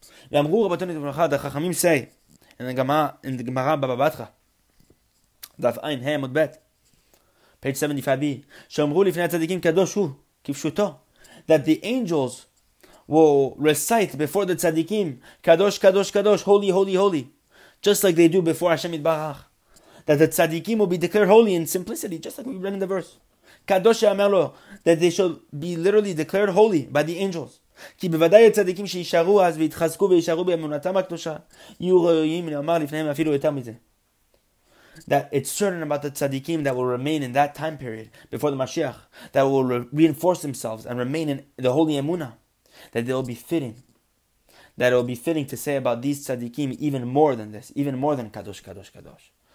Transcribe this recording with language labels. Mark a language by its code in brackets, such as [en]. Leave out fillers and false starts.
[en] The Chachamim say, in the Gemara Baba Batra, Daf Ein Hei Amud Bet, page 75b, [he] Shomru lifnei tzadikim kadosh hu, kifshuto, [en] that the angels will recite before the tzadikim, kadosh, kadosh, kadosh, holy, holy, holy, just like they do before Hashem Yitbarach, that the tzadikim will be declared holy in simplicity, just like we read in the verse. [he] Kadosh amelo, [en] that they shall be literally declared holy by the angels. [he] כי בוודאי הצדיקים שישארו אז ויתחזקו וישארו באמונתם הקדושה יהיו ראויים לומר לפניהם אפילו יותר מזה. [en] That it's certain about the tzaddikim that will remain in that time period before the Mashiach, that will reinforce themselves and remain in the holy emunah, that they will be fitting. That it will be fitting to say about these tzaddikim even more than this, even more than kadosh, kadosh, kadosh.